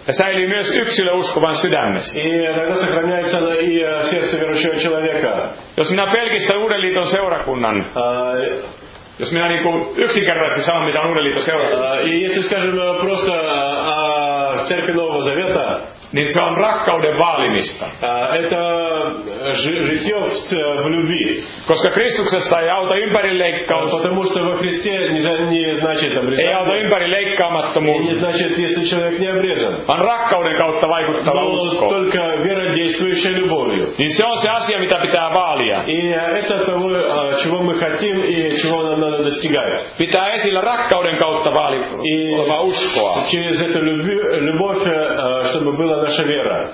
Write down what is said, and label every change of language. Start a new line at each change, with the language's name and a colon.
Finnish: Ja säilyy myös yksilö uskovan sydämessä.
Russian: И тогда сохраняется и сердце верующего человека.
Finnish: Jos minä pelkistän Uuden liiton seurakunnan. Jos minä niin kuin yksinkertaisesti sanon, mitä on Uuden liiton seurakunnan.
Russian: Если скажем просто о церкви Нового Завета.
Finnish: Niin se on rakkauden vaalimista.
Russian: Это житье в любви.
Finnish: Koska Kristuksessa ei auta ympärileikkaus.
Russian: Потому что во Христе не значит обрезание.
Finnish: Ei auta ympärileikkaamattomuus.
Russian: Не значит, если человек не обрезан.
Finnish: Vaan rakkauden kautta vaikuttava usko.
Russian: Только вера, действующая любовью.
Finnish: Niin se on se asia, mitä pitää vaalia.
Russian: И это того, чего мы хотим и чего нам надо достигать.
Finnish: Pitää esillä rakkauden kautta vaalittava uskoa.
Russian: Через эту любовь, чтобы была наша вера.